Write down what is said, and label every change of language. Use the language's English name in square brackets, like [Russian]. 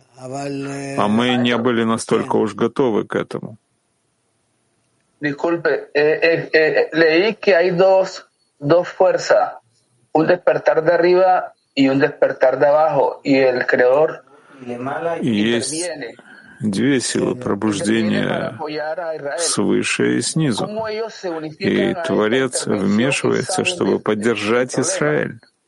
[Russian] А мы не были настолько уж готовы к этому. [Spanish] Disculpe, leí que hay dos fuerzas, un despertar de arriba y un despertar de abajo, y el creador. [Russian] Есть две силы пробуждения свыше и снизу. И Творец вмешивается, чтобы поддержать Израиль.